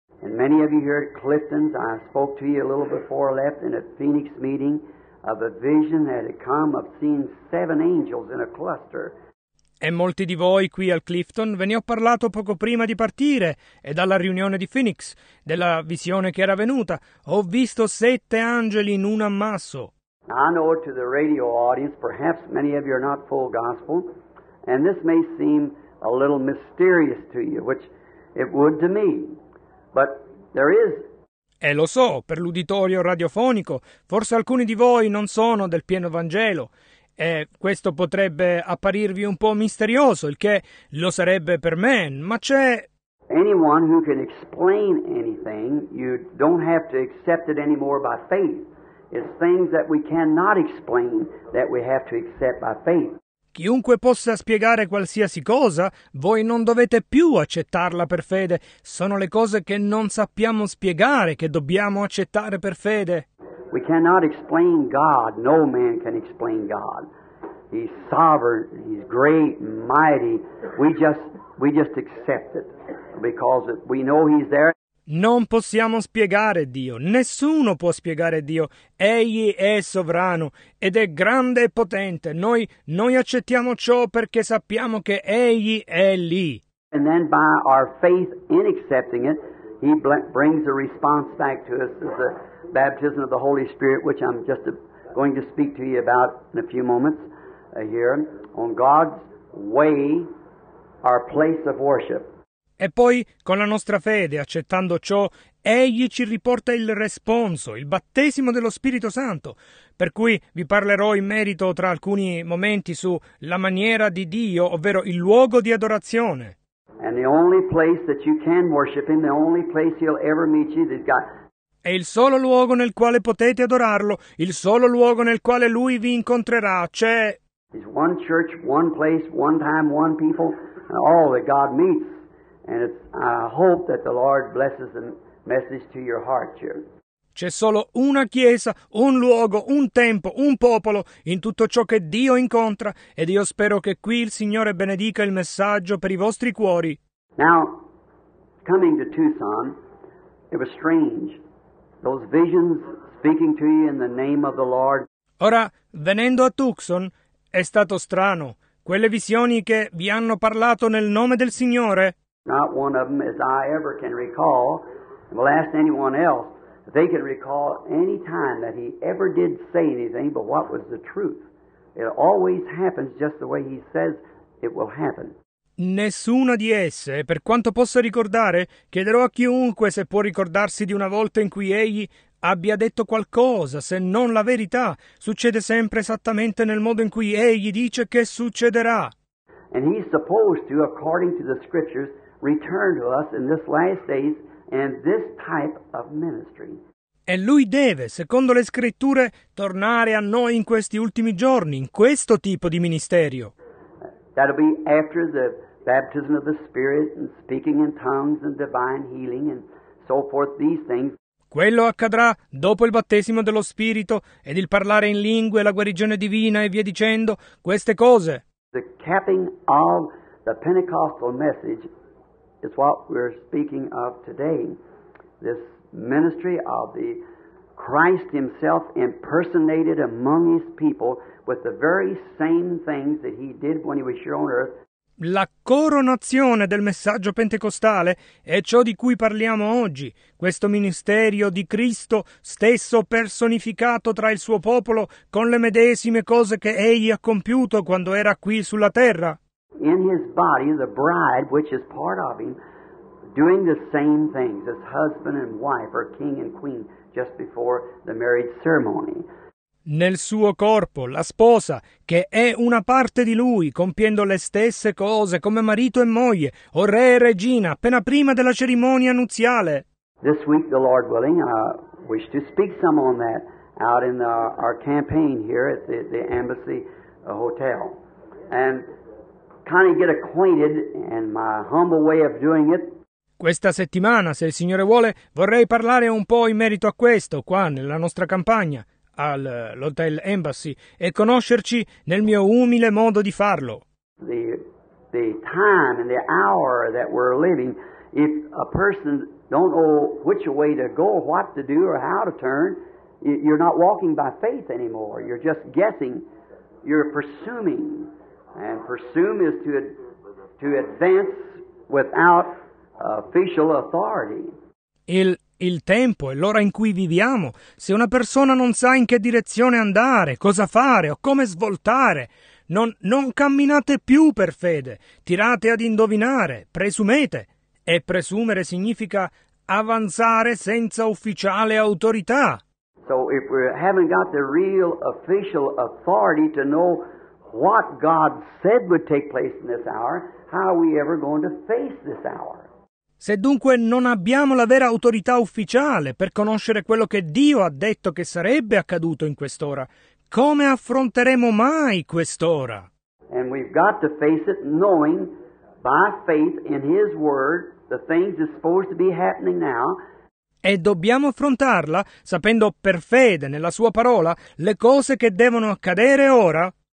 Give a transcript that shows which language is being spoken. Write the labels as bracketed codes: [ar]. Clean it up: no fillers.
[en] And many of you here at Clifton's, I spoke to you a little before I left in a Phoenix meeting of a vision that had come of seeing seven angels in a cluster. [it] E molti di voi qui al Clifton ve ne ho parlato poco prima di partire e dalla riunione di Phoenix, della visione che era venuta. Ho visto sette angeli in un ammasso. [en] I know to the radio audience, perhaps many of you are not full gospel, and this may seem a little mysterious to you, which it would to me, but there is. [it] E lo so, per l'uditorio radiofonico, forse alcuni di voi non sono del pieno Vangelo. E questo potrebbe apparirvi un po' misterioso, il che lo sarebbe per me, ma c'è. [en] Anyone who can explain anything, you don't have to accept it anymore by faith. It's things that we cannot explain that we have to accept by faith. [it] Chiunque possa spiegare qualsiasi cosa, voi non dovete più accettarla per fede. Sono le cose che non sappiamo spiegare che dobbiamo accettare per fede. [en] We cannot explain God. No man can explain God. He's sovereign. He's great, mighty. We just accept it because we know He's there. [it] Non possiamo spiegare Dio. Nessuno può spiegare Dio. Egli è sovrano ed è grande e potente. Noi accettiamo ciò perché sappiamo che Egli è lì. [en] And then by our faith in accepting it, He brings a response back to us as a baptism of the Holy Spirit, which I'm just going to speak to you about in a few moments here, on God's way, our place of worship. [it] E poi, con la nostra fede, accettando ciò, Egli ci riporta il responso, il battesimo dello Spirito Santo, per cui vi parlerò in merito tra alcuni momenti su la maniera di Dio, ovvero il luogo di adorazione. [en] And the only place that you can worship Him, the only place He'll ever meet you, He's got. [it] È il solo luogo nel quale potete adorarlo, il solo luogo nel quale Lui vi incontrerà, c'è. [en] It's one church, one place, one time, one people, and all that God meets. And it's, I hope that the Lord blesses the message to your heart here. [it] C'è solo una chiesa, un luogo, un tempo, un popolo in tutto ciò che Dio incontra, ed io spero che qui il Signore benedica il messaggio per i vostri cuori. [en] Now, coming to Tucson, it was strange. Those visions speaking to you in the name of the Lord. [it] Ora, venendo a Tucson, è stato strano. Quelle visioni che vi hanno parlato nel nome del Signore. [en] Not one of them, as I ever can recall, will ask anyone else. they could recall any time that he ever did say anything but what was the truth. It always happens just the way he says it will happen. [it] Nessuna di esse, per quanto possa ricordare, chiederò a chiunque se può ricordarsi di una volta in cui egli abbia detto qualcosa, se non la verità, succede sempre esattamente nel modo in cui egli dice che succederà. [en] And he's supposed to, according to the scriptures, return to us in this last days and this type of ministry. [it] E lui deve, secondo le scritture, tornare a noi in questi ultimi giorni, in questo tipo di ministerio. [en] That'll be after the baptism of the Spirit and speaking in tongues and divine healing and so forth, these things. [it] Quello accadrà dopo il battesimo dello Spirito ed il parlare in lingue, la guarigione divina e via dicendo, queste cose. [en] The capping of the Pentecostal message is what we're speaking of today. This ministry of the Christ himself impersonated among his people with the very same things that he did when he was here on earth. [it] La coronazione del messaggio pentecostale è ciò di cui parliamo oggi, questo ministerio di Cristo stesso personificato tra il suo popolo con le medesime cose che egli ha compiuto quando era qui sulla terra. [en] In his body, the bride, which is part of him, doing the same things as husband and wife or king and queen just before the marriage ceremony. [it] Nel suo corpo, la sposa, che è una parte di lui, compiendo le stesse cose come marito e moglie, o re e regina, appena prima della cerimonia nuziale. [en] This week, the Lord willing, I wish to speak some on that out in our campaign here at the Embassy Hotel. And kind of get acquainted in my humble way of doing it. [it] Questa settimana, se il Signore vuole, vorrei parlare un po' in merito a questo, qua nella nostra campagna. All'Hotel Embassy e conoscerci nel mio umile modo di farlo. [en] The time and the hour that we're living, if a person don't know which way to go, what to do, or how to turn, you're not walking by faith anymore. You're just guessing. You're presuming. And presume is to advance without official authority. [it] Il tempo e l'ora in cui viviamo, se una persona non sa in che direzione andare, cosa fare o come svoltare, non camminate più per fede, tirate ad indovinare, presumete. E presumere significa avanzare senza ufficiale autorità. [en] So if we haven't got the real official authority to know what God said would take place in this hour, how are we ever going to face this hour? [it] Se dunque non abbiamo la vera autorità ufficiale per conoscere quello che Dio ha detto che sarebbe accaduto in quest'ora, come affronteremo mai quest'ora? [en] And we've got to face it knowing by faith in his word the things that's supposed to be happening now. [it] E dobbiamo affrontarla sapendo per fede nella sua parola le cose che devono accadere ora.